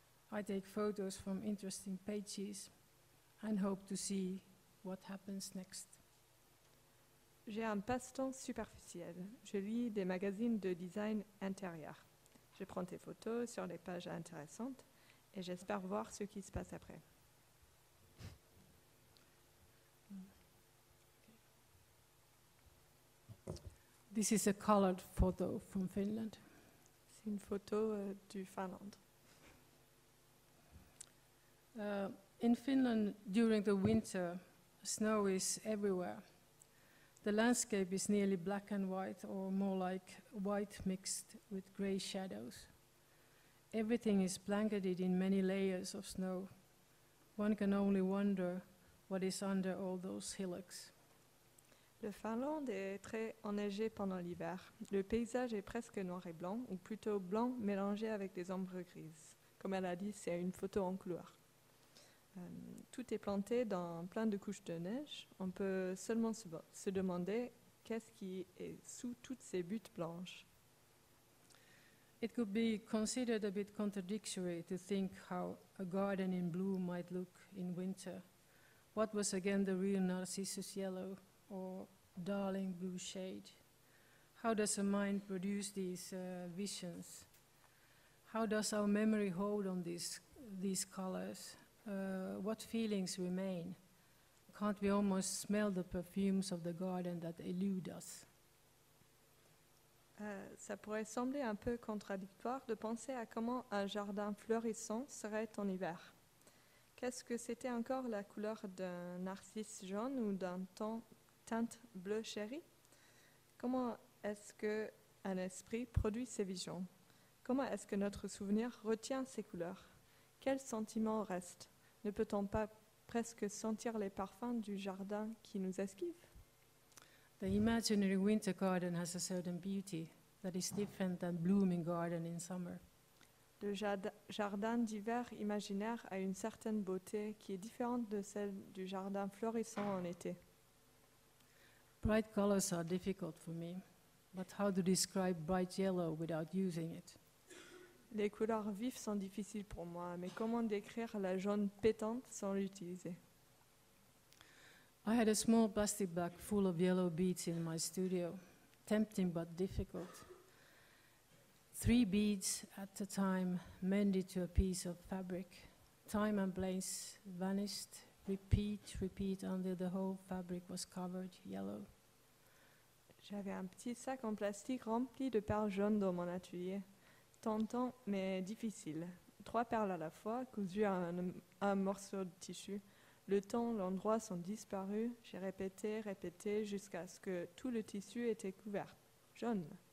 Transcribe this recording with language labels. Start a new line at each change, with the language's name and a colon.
English: I take photos from interesting pages and hope to see what happens next.
French: J'ai un passe-temps superficiel. Je lis des magazines de design intérieur. Je prends tes photos sur les pages intéressantes et j'espère voir ce qui se passe après.
English: This is a colored photo from Finland.
French: C'est une photo du Finlande.
English: In Finland, during the winter, snow is everywhere. The landscape is nearly black and white, or more like white mixed with gray shadows. Everything is blanketed in many layers of snow. One can only wonder what is under all those hillocks.
French: Le Finlande est très enneigé pendant l'hiver. Le paysage est presque noir et blanc, ou plutôt blanc mélangé avec des ombres grises. Comme elle a dit, c'est une photo en couleur. Tout est planté dans plein de couches de neige. On peut seulement se demander qu'est-ce qui est sous toutes ces buttes blanches.
English: It could be considered a bit contradictory to think how a garden in bloom might look in winter. What was again the real narcissus yellow or darling blue shade? How does a mind produce these visions? How does our memory hold on these colors? What feelings remain? Can't we almost smell the perfumes of the garden that elude us?
French: Ça pourrait sembler un peu contradictoire de penser à comment un jardin fleurissant serait en hiver. Qu'est-ce que c'était encore la couleur d'un narcisse jaune ou d'un teinte bleu chéri? Comment est-ce qu'un esprit produit ses visions? Comment est-ce que notre souvenir retient ses couleurs? Quel sentiment reste? Ne peut-on pas presque sentir les parfums du jardin qui nous esquive?
English: The imaginary winter garden has a certain beauty that is different than blooming garden in summer.
French: Le jardin d'hiver imaginaire a une certaine beauté qui est différente de celle du jardin fleurissant en été.
English: Bright colors are difficult for me, but how to describe bright yellow without using it?
French: Les couleurs vives sont difficiles pour moi, mais comment décrire la jaune pétante sans l'utiliser?
English: I had a small plastic bag full of yellow beads in my studio, tempting but difficult. Three beads at a time mended to a piece of fabric. Time and place vanished, repeat until the whole fabric was covered yellow.
French: J'avais un petit sac en plastique rempli de perles jaunes dans mon atelier. Tentant, mais difficile. Trois perles à la fois, cousues à un morceau de tissu. Le temps, l'endroit sont disparus. J'ai répété, jusqu'à ce que tout le tissu était couvert, jaune.